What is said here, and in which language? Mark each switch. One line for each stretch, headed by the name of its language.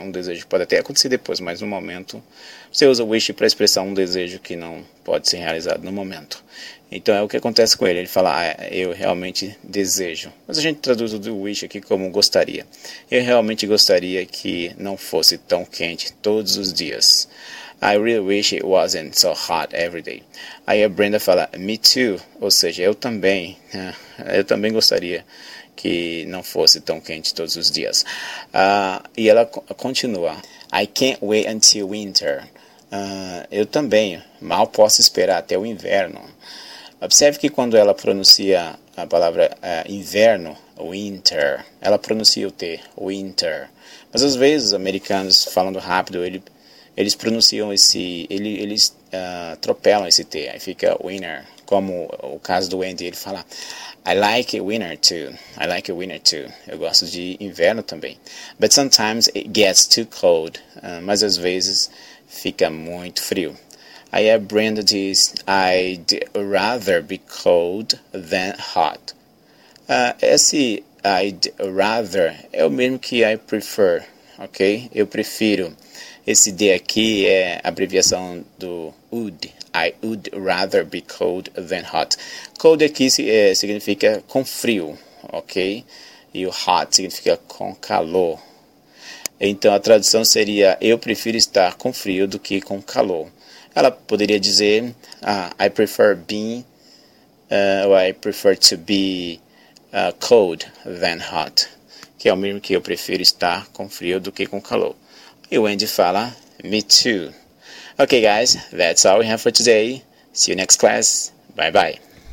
Portuguese: Um desejo pode até acontecer depois, mas no momento, você usa wish para expressar um desejo que não pode ser realizado no momento. Então é o que acontece com ele, ele fala, ah, eu realmente desejo. Mas a gente traduz o do wish aqui como gostaria. Eu realmente gostaria que não fosse tão quente todos os dias.
English: I really wish it wasn't so hot every day.
Portuguese: Aí a Brenda fala,
English: me too,
Portuguese: ou seja, eu também gostaria que não fosse tão quente todos os dias. E ela continua,
English: I can't wait until winter.
Portuguese: Eu também mal posso esperar até o inverno. Observe que quando ela pronuncia a palavra inverno, winter, ela pronuncia o T, winter. Mas às vezes os americanos falando rápido, eles pronunciam esse, eles atropelam esse T, aí fica winner, como o caso do Andy, ele fala,
English: I like winter too,
Portuguese: I like winter too, eu gosto de inverno também.
English: But sometimes it gets too cold,
Portuguese: mas às vezes fica muito frio. Aí a Brenda diz,
English: I'd rather be cold than hot.
Portuguese: Esse
English: I'd rather
Portuguese: é o mesmo que
English: I prefer,
Portuguese: ok? Eu prefiro. Esse D aqui é a abreviação do would.
English: I would rather be cold than hot.
Portuguese: Cold aqui significa com frio, ok? E o hot significa com calor. Então a tradução seria: eu prefiro estar com frio do que com calor. Ela poderia dizer:
English: I prefer being, or I prefer to be cold than hot.
Portuguese: Que é o mesmo que eu prefiro estar com frio do que com calor. E o Andy fala,
English: me too. Okay, guys, that's all we have for today. See you next class. Bye bye.